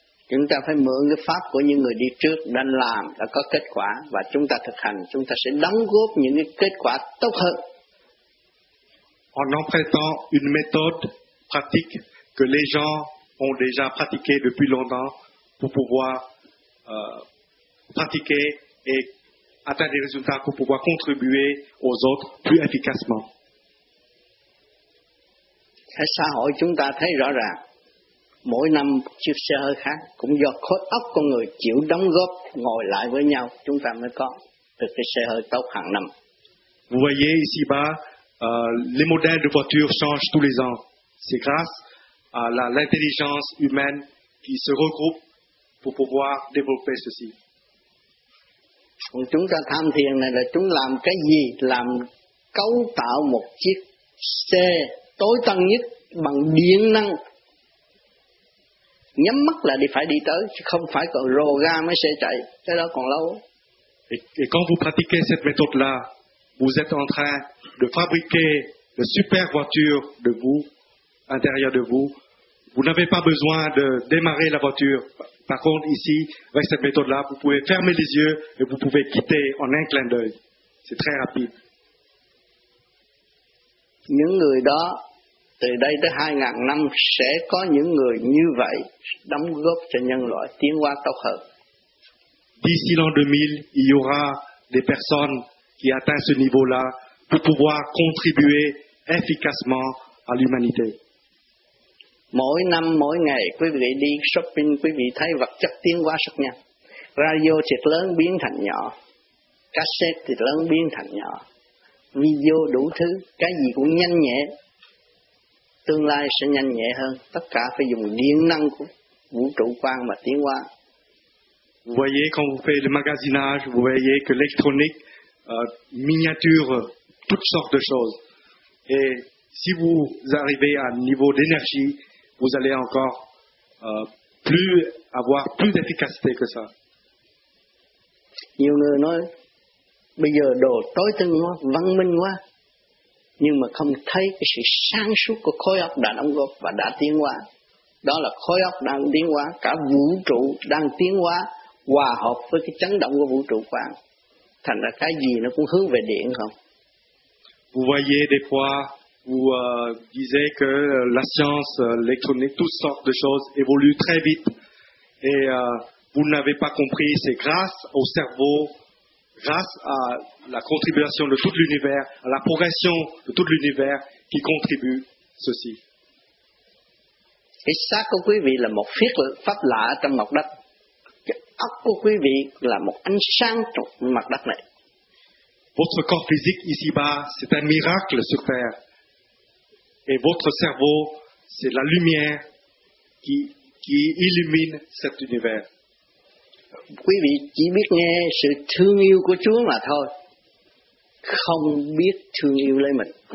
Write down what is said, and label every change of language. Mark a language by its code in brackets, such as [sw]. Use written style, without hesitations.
[vi] Chúng ta phải mượn cái pháp của những người đi trước đã làm, đã có kết quả, và chúng ta thực hành, chúng ta sẽ đóng góp những cái kết quả tốt hơn. [fr] En empruntant une méthode pratique que les gens ont déjà pratiqué depuis longtemps pour pouvoir pratiquer et atteindre des résultats pour pouvoir contribuer aux autres plus efficacement. [vi] Cái xã hội chúng ta thấy rõ ràng, mỗi năm chiếc xe hơi khác cũng do khối óc con người chịu đóng góp ngồi lại với nhau, chúng ta mới có được cái xe hơi tốt hàng năm. [fr] Vous voyez ici-bas, les modèles de voitures changent tous les ans. C'est grâce à l'intelligence humaine qui se regroupe pour pouvoir développer ceci. [vi] Còn chúng ta tham thiền này là chúng làm cái gì? Làm cấu tạo một chiếc xe tối tân nhất bằng điện năng. Nhắm mắt là đi phải đi tới, chứ không phải còn rồ ga mới xe chạy. Cái đó còn lâu. [fr] Et quand vous pratiquez cette méthode-là, vous êtes en train de fabriquer la super voiture de vous, intérieur de vous. Vous n'avez pas besoin de démarrer la voiture. Par contre, ici, avec cette méthode-là, vous pouvez fermer les yeux et vous pouvez quitter en un clin d'œil. C'est très rapide. [vi] Những người đó Từ đây tới 2000 năm sẽ có những người như vậy đóng góp cho nhân loại tiến hóa tốt hơn. [fr] D'ici l'an 2000, il y aura des personnes qui atteignent ce niveau-là pour pouvoir contribuer efficacement à l'humanité. [vi] Mỗi năm, mỗi ngày, quý vị đi shopping, quý vị thấy vật chất tiến hóa rất nhanh. Radio thì lớn biến thành nhỏ, cassette thì lớn biến thành nhỏ, video đủ thứ, cái gì cũng nhanh nhẹ. Tương lai sẽ nhanh nhẹ hơn, tất cả phải dùng điện năng của vũ trụ quang mà tiến hóa. [fr] Vous voyez quand vous faites le magasinage, vous voyez que l'électronique miniature toutes sortes de choses. Et si vous arrivez à un niveau d'énergie, vous allez encore plus avoir plus d'efficacité que ça. [vi] Nhiều người nói bây giờ đồ tối tân quá, văn minh quá, nhưng mà không thấy cái sự sáng suốt của khối óc đã đóng góp và đã tiến hóa. Đó là khối óc đang tiến hóa, cả vũ trụ đang tiến hóa hòa hợp với cái chấn động của vũ trụ quang. Thành ra cái gì nó cũng hướng về điện không? [fr] Vous voyez des fois, vous disiez que la science, l'électronique, toutes sortes de choses évoluent très vite. Et vous n'avez pas compris, c'est grâce au cerveau, grâce à la contribution de tout l'univers, à la progression de tout l'univers qui contribue ceci. Et ça, comme [vi] quý vị, là một phép pháp lạ trong mặt đất. Óc của quý vị là một ánh sáng trong mặt đất này. [fr] Votre corps physique ici-bas, c'est un miracle sur terre. Et votre cerveau, c'est la lumière qui illumine cet univers. [vi] Quý vị chỉ biết nghe sự thương yêu của Chúa mà thôi, không biết thương yêu lấy mình.